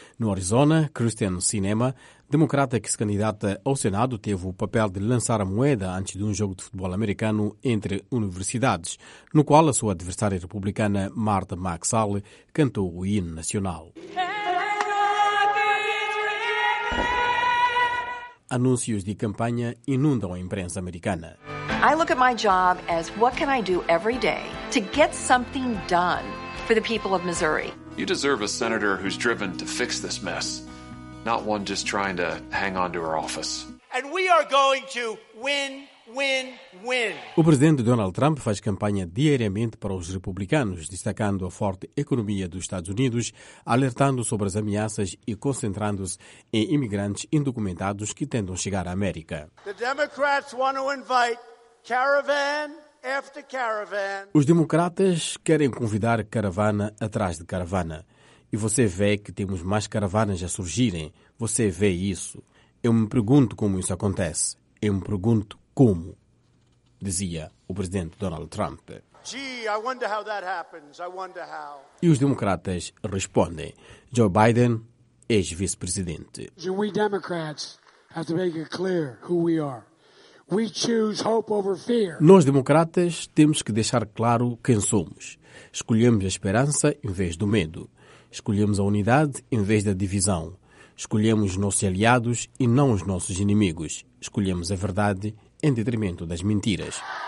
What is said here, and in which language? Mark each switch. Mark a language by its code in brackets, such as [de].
[pt] No Arizona, Kristen Sinema, democrata que se candidata ao Senado, teve o papel de lançar a moeda antes de um jogo de futebol americano entre universidades, no qual a sua adversária republicana, Martha McSally, cantou o hino nacional. Anúncios de campanha inundam a imprensa americana. [en] I look at my job as what can I do every day to get something done for the people of Missouri. You deserve a senator who's driven to fix this mess. not one just trying to hang on to her office. And we are going to win, win, win. [pt] O presidente Donald Trump faz campanha diariamente para os republicanos, destacando a forte economia dos Estados Unidos, alertando sobre as ameaças e concentrando-se em imigrantes indocumentados que tentam chegar à América. [en] The Democrats want to invite caravan after caravan. [pt] Os democratas querem convidar caravana atrás de caravana. E você vê que temos mais caravanas a surgirem. Você vê isso. Eu me pergunto como isso acontece. Eu me pergunto como, dizia o presidente Donald Trump. E os democratas respondem. Joe Biden, ex-vice-presidente. [en] We Democrats have to make it clear who we are. We choose hope over fear. [pt] Nós, democratas, temos que deixar claro quem somos. Escolhemos a esperança em vez do medo. Escolhemos a unidade em vez da divisão. Escolhemos nossos aliados e não os nossos inimigos. Escolhemos a verdade em detrimento das mentiras.